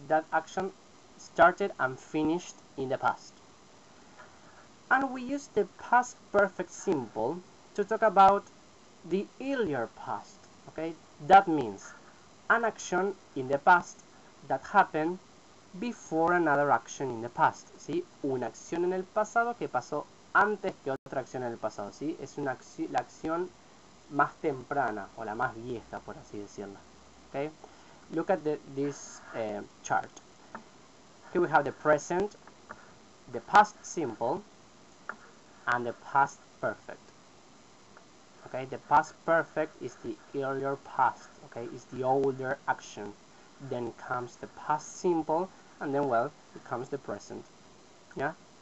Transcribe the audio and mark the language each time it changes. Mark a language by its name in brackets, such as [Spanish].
[English] That action started and finished in the past. And we use the past perfect simple to talk about the earlier past, okay? That means an action in the past that happened before another action in the past, ¿sí? [Spanish] Una acción en el pasado que pasó antes que otra acción en el pasado, ¿sí? Es una la acción más temprana o la más vieja, por así decirla, okay? [English] Look at this chart. Here we have the present, the past simple, and the past perfect. Okay, the past perfect is the earlier past, okay? It's the older action. Then comes the past simple, and then, well, it comes the present, yeah?